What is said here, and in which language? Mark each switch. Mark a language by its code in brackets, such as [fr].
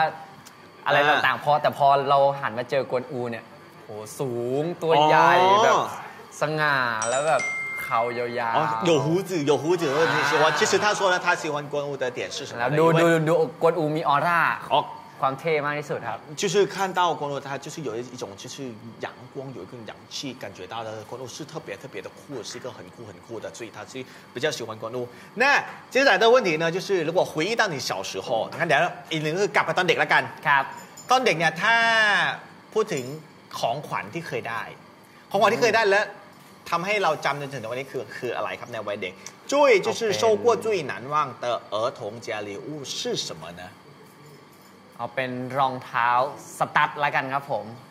[th] าอะไรต่างๆพอแต่พอเราหันมาเจอกวนอูเนี่ยโหสูงตัวใหญ่แบบสง่าแล้วแบบเขายาวๆ [zh] 有胡子你喜欢其实他说呢他喜欢关武的点是什么 [th] ดูกวนอูมีออร่าความเท่มากที่สุดครับ [zh] 就是看到关武他就是有一种就是阳光有一种阳气感觉到的关武是特别特别的酷是一个很酷很酷的所以他是比较喜欢关武那接下来的问题呢就是如果回忆到你小时候你看等一下 [th] อีกหนึ่งคือกลับไปตอนเด็กแล้วกัน ครับ ตอนเด็กเนี่ยถ้าพูดถึงของขวัญที่เคยได้ของขวัญที่เคยได้แล้วทำให้เราจำจนถึงวันนี้คืออะไรครับในวัยเด็กจุ้ย [zh] 就是收过最难忘的儿童节礼物是什么呢 [th] เอาเป็นรองเท้าสตั๊ดละกันครับผม